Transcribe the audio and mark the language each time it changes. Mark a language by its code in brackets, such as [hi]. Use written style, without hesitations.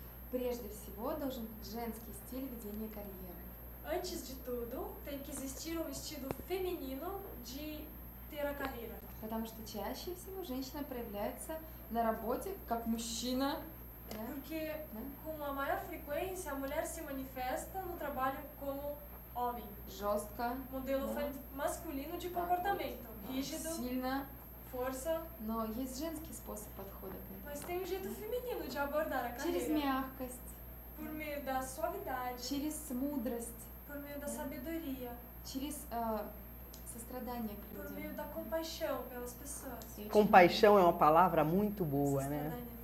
[ru] Прежде всего, должен быть женский стиль ведения карьеры. [pt] Antes de tudo, tem que existir um estilo feminino de ter a carreira. [ru] Потому что чаще всего женщина проявляется на работе как мужчина. [pt] Porque com a maior frequência a mulher se manifesta no trabalho como homem. [ru] Жестко. [pt] Modelo masculino de comportamento. Rígido. [ru] Сильно. [pt] Força. [ru] Но есть женский способ подхода к этому. [pt] Mas tem um jeito feminino de abordar a carreira. [ru] Через мягкость. [pt] Por meio da suavidade. [ru] Через мудрость. [pt] Por meio da sabedoria. [ru] Через сострадание к людям. [pt] Por meio da compaixão pelas pessoas. Compaixão é uma palavra muito boa, né?